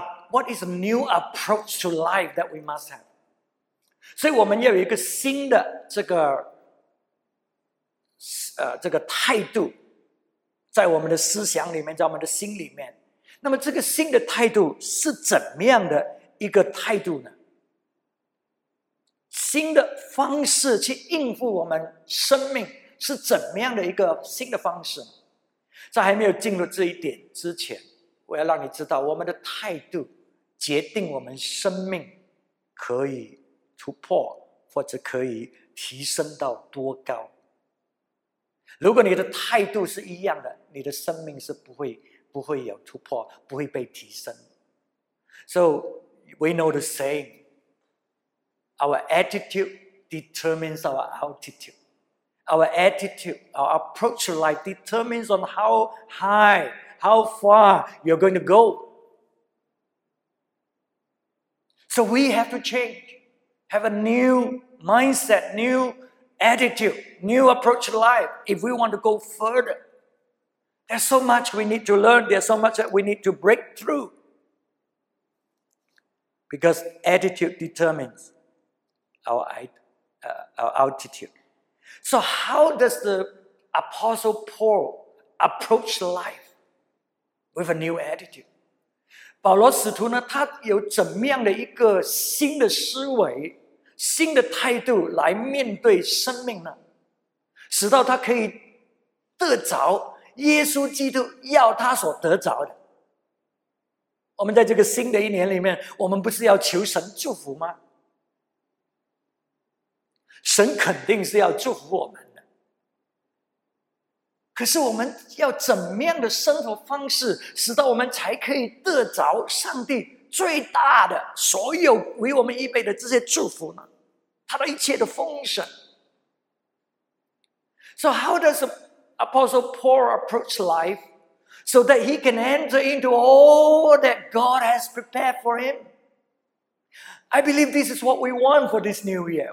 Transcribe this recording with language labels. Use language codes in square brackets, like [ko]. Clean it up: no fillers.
[en] What is a new approach to life that we must have? [zh] 所以我们要有一个新的这个态度在我们的思想里面，在我们的心里面。那么这个新的态度是怎么样的一个态度呢？新的方式去应付我们生命是怎么样的一个新的方式呢？在还没有进入这一点之前，我要让你知道，我们的态度决定我们生命可以突破或者可以提升到多高。如果你的态度是一样的，你的生命是不会有突破，不会被提升。 [en] So we know the saying, our attitude determines our altitudeOur attitude, our approach to life determines on how high, how far you're going to go. So we have to change, have a new mindset, new attitude, new approach to life if we want to go further. There's so much we need to learn. There's so much that we need to break through. Because attitude determines our altitude. So how does the Apostle Paul approach life with a new attitude? [zh] 保罗使徒呢, 他有怎么样的一个新的思维, 新的态度来面对生命呢? 使到他可以得着耶稣基督要他所得着的。我们在这个新的一年里面, 我们不是要求神祝福吗? 神肯定是要祝福我们的。可是我们要怎么样的生活方式, 使到我们才可以得着上帝最大的, 所有为我们预备的这些祝福呢? 他的一切的丰盛。 [en] So how does Apostle Paul approach life so that he can enter into all that God has prepared for him? I believe this is what we want for this new year.